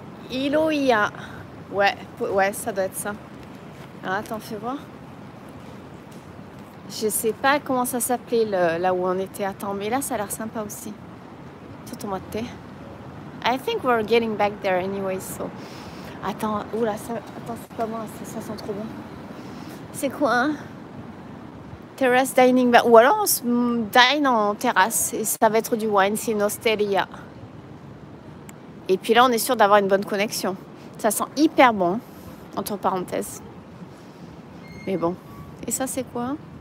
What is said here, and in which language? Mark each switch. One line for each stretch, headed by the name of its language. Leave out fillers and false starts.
French: Iloia. Ouais, ça doit être ça. Alors attends, fais voir. Je sais pas comment ça s'appelait là où on était. Attends, mais là ça a l'air sympa aussi. Tout en mode thé.
English: I think we're getting back there anyway, so.
French: Attends, oula, ça, attends, c'est pas bon, ça sent trop bon. C'est quoi, hein? Terrasse dining. Ou alors on se dine en terrasse et ça va être du wine, c'est une osteria. Et puis là, on est sûr d'avoir une bonne connexion. Ça sent hyper bon, entre parenthèses. Mais bon. Et ça, c'est quoi?